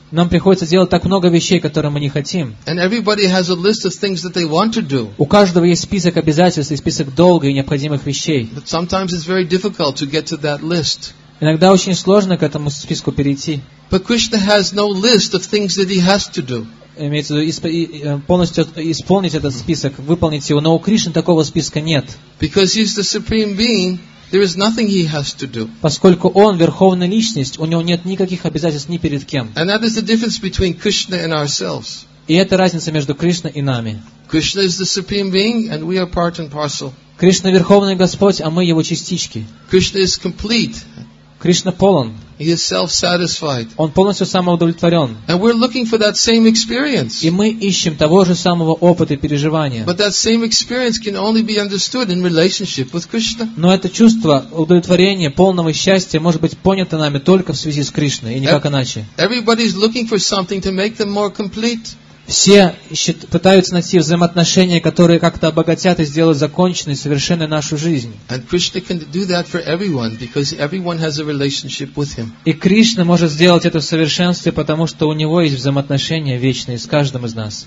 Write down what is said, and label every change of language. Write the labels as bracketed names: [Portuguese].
[Russian] Нам приходится делать так много вещей, которые мы не хотим. [English] And everybody has a list of things that they want to do. [Russian] У каждого есть список обязательств и список долга и необходимых вещей. [English] But sometimes it's very difficult to get to that list. [Russian] Иногда очень сложно к этому списку перейти. [English] But Krishna has no list of things that he has to do. [Russian] Имеется в виду полностью исполнить этот список, выполнить его. Но у Кришны такого списка нет. [English] Because he's the supreme being, there is nothing he has to do. [Russian] Поскольку он верховная личность, у него нет никаких обязательств ни перед кем. [English] And that is the difference between Krishna and ourselves. [Russian] И это разница между Кришной и нами. [English] Krishna is the supreme being, and we are part and parcel. [Russian] Кришна верховный Господь, а мы его частички. [English] Krishna is complete. [Russian] Кришна полон. [English] He is self-satisfied. [Russian] Он полностью самоудовлетворен. [English] And we're looking for that same experience. [Russian] И мы ищем того же самого опыта и переживания. [English] But that same experience can only be understood in relationship with Krishna. [Russian] Но это чувство удовлетворения, полного счастья может быть понято нами только в связи с Кришной и никак иначе. [English] Everybody is looking for something to make them more complete. [Russian] все пытаются найти взаимоотношения, которые как-то обогатят и сделают законченной, совершенной нашу жизнь. И Кришна может сделать это в совершенстве, потому что у Него есть взаимоотношения вечные с каждым из нас.